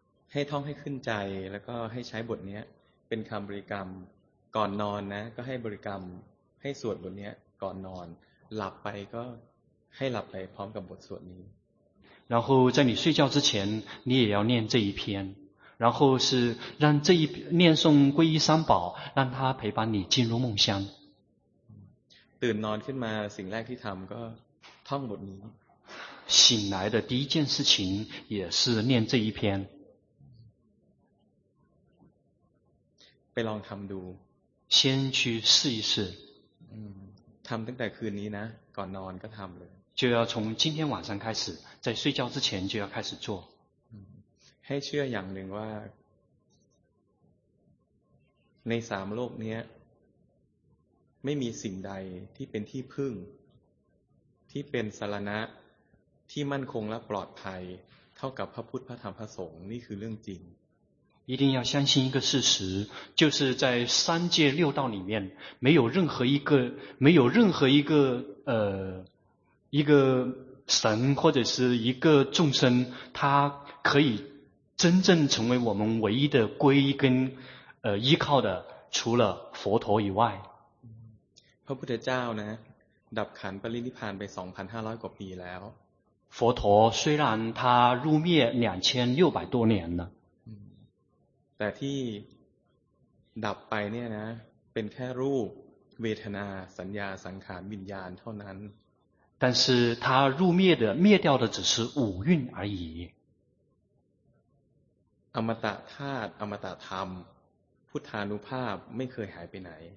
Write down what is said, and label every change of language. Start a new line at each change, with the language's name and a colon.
Thai: ให้ท่องให้ขึ้นใจแล้วก็ให้ใช้บทนี้เป็นคำบริกรรมก่อนนอนนะก็ให้บริกรรมให้สวดบทนี้ก่อนนอนหลับไปก็ให้หลับไปพร้อมกับบทสวดนี้
Chinese: 然后在你睡觉之前你也要念这一篇然后是让这一念诵皈依三宝让它陪伴你进入梦乡
Thai: ตื่นนอนขึ้นมาสิ่งแรกที่ทำก็ท่องบทนี้
Chinese: 醒来的第一件事情也是念这一篇
Thai: ไปลองทำดู
Chinese: 先去试一试
Thai: ทำตั้งแต่คืนนี้นะก่อนนอนก็ทำเลย
Chinese: 就要从今天晚上开始在睡觉之前就要开始做
Thai: ให้เชื่ออย่างหนึ่งว่าในสามโลกนี้ไม่มีสิ่งใดที่เป็นที่พึ่งที่เป็นสรณะที่มั่นคงและปลอดภัยเท่ากับพระพุทธพระธรรมพระสงฆ์นี่คือเรื่องจริง
Chinese: 一定要相信一个事实，就是在三界六道里面，没有任何一个，没有任何一个，一个神或者是一个众生，他可以真正成为我们唯一的皈依跟依靠的，除了佛陀以外。
Thai: พระพุทธเจ้านะ，ดับขันธ์ปรินิพพานไป 2,500 กว่าปีแล้ว。
Chinese: 佛陀虽然他入灭2600多年了。
Thai: แต่ที่ดับไปเนี่ยนะเป็นแค่รูปเวทนาสัญญาสังขารวิญญาณเท่านั้น
Chinese: 但是它入灭的灭掉的只是五蕴而已
Thai: อมตะธาตุอมตะธรรมพุทธานุภาพไม่เคยหายไปไหน